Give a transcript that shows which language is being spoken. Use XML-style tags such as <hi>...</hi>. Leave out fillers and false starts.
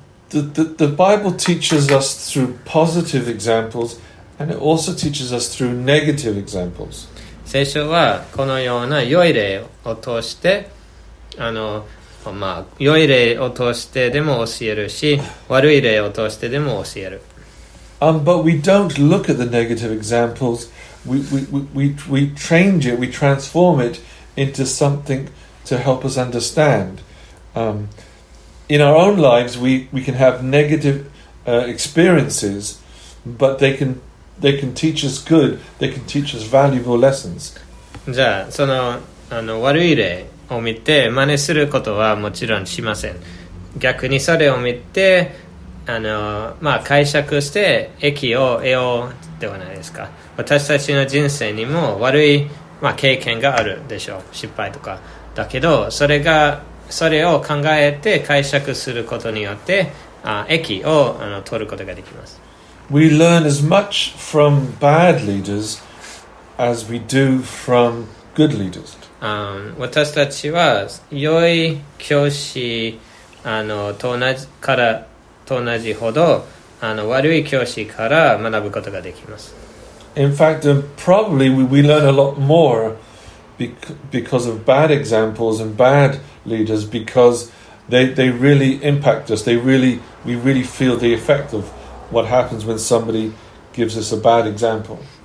<en>The Bible teaches us through positive examples, and it also teaches us through negative examples.</en> <ja>聖書はこのような良い例を通して、良い例を通してでも教えるし、悪い例を通してでも教える。</ja> <en>But we don't look at the negative examples. We change it, we transform it into something to help us understand. In our own lives, we can have negative experiences, but they can teach us good, they can teach us valuable lessons.</en> <ja>じゃあ、その悪い例を見て真似することはもちろんしません。逆にそれを見て、解釈して益を得ようではないですか。私たちの人生にも悪い、経験があるでしょう、失敗とか。だけど、それを考えて解釈することによって、益を取ることができます。</ja> <en>We learn as much from bad leaders as we do from good leaders.</en> <ja>私たちは良い教師と同じほど悪い教師から学ぶことができます。</ja> <en>In fact, probably we learn a lot more because of bad examples and bad leaders because they really impact us. We really feel the effect of what happens when somebody gives us a bad example.</en>